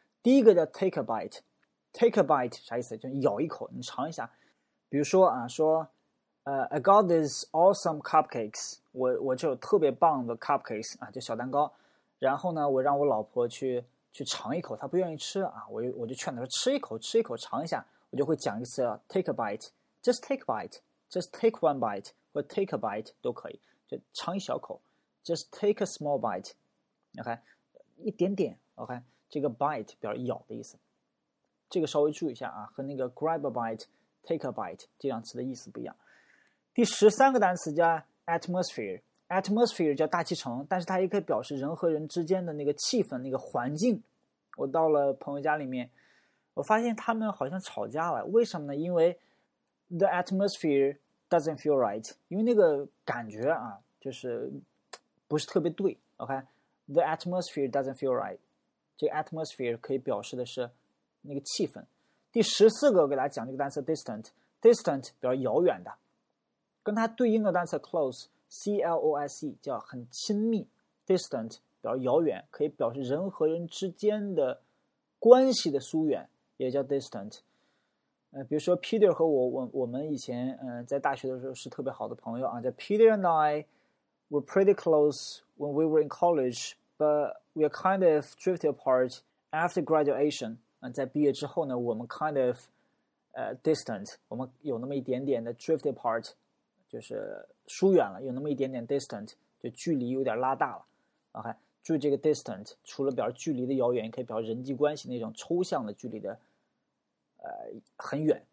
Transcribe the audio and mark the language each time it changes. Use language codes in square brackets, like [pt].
[zh] 第一个叫 [en] take a bite， take a bite [zh] 啥意思？就咬一口，你尝一下。比如说啊，说 [en] I got these awesome cupcakes， [zh] 我就有特别棒的 cupcakes 啊，就小蛋糕。然后呢，我让我老婆去尝一口，她不愿意吃啊，我就劝她说吃一口尝一下。我就会讲一次 [en] take a bite， just take a bite， just take one bite， 或 take a bite [zh] 都可以，就尝一小口， [en] just take a small bite， OK， [zh] 一点点， [en] OK。 [zh] 这个 bite 表示咬的意思，这个稍微注意一下啊，和那个 [en] grab a bite take a bite [zh] 这两词的意思不一样。第十三个单词叫 atmosphere， atmosphere 叫大气层，但是它也可以表示人和人之间的那个气氛，那个环境。我到了朋友家里面，我发现他们好像吵架了，为什么呢？因为 [en] the atmosphere doesn't feel right， [zh] 因为那个感觉啊，就是不是特别对。 OK， [en] the atmosphere doesn't feel right， [zh] 这个 atmosphere 可以表示的是那个气氛。第十四个，给大家讲这个单词 distant。distant 表示遥远的，跟它对应的单词 close，C-L-O-S-E 叫很亲密。 distant 表示遥远，可以表示人和人之间的关系的疏远，也叫 distant。比如说 Peter 和我们以前在大学的时候是特别好的朋友啊，叫 [en] Peter and I were pretty close when we were in college。 But we are kind of drifted apart after graduation. [zh] 在毕业之后呢，我们 [en] kind of distant. [zh] 我们有那么一点点的 [en] drifted apart， [zh] 就是疏远了，有那么一点点 distant， 就距离有点拉大了。 OK， 注意这个 distant， 除了表示距离的遥远，也可以表示人际关系那种抽象的距离的很远。